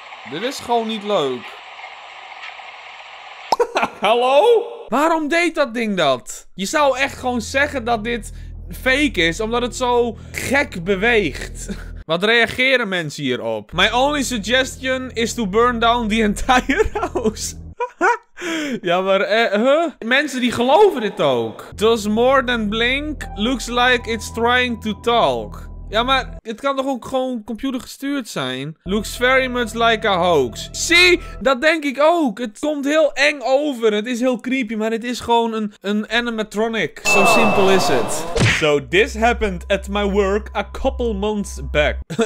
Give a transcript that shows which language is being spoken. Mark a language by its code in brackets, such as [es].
[nl] Dit is gewoon niet leuk. Hallo? Waarom deed dat ding dat? Je zou echt gewoon zeggen dat dit fake is, omdat het zo gek beweegt. Wat reageren mensen hierop? [en] My only suggestion is to burn down the entire house. [nl] Ja, maar mensen die geloven dit ook. [en] Does more than blink looks like it's trying to talk. [nl] Ja, maar het kan toch ook gewoon computer gestuurd zijn? [en] Looks very much like a hoax. [nl] See, dat denk ik ook. Het komt heel eng over. Het is heel creepy, maar het is gewoon een animatronic. Zo simpel is het. [en] So, this happened at my work a couple months back.